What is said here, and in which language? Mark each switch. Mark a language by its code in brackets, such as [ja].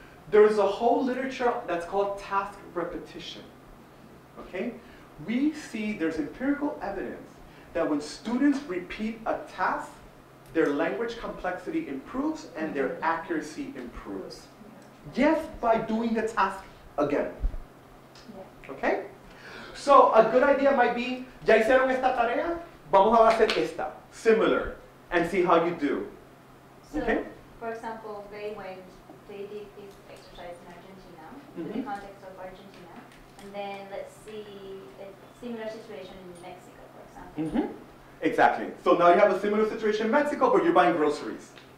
[en] There's a whole literature that's called task repetition. Okay? We see there's empirical evidence that when students repeat a task, their language complexity improves and their accuracy improves. Yes, by doing the task again. Okay? So a good idea might be, [es] ya hicieron esta tarea, vamos a hacer esta. [en] Similar. And see how you do. So, okay? For example, they did this exercise in Argentina, mm-hmm. in the context of Argentina, and then let's see a similar situation in Mexico, for example. Mm-hmm. Exactly. So now you have a similar situation in Mexico, but you're buying groceries.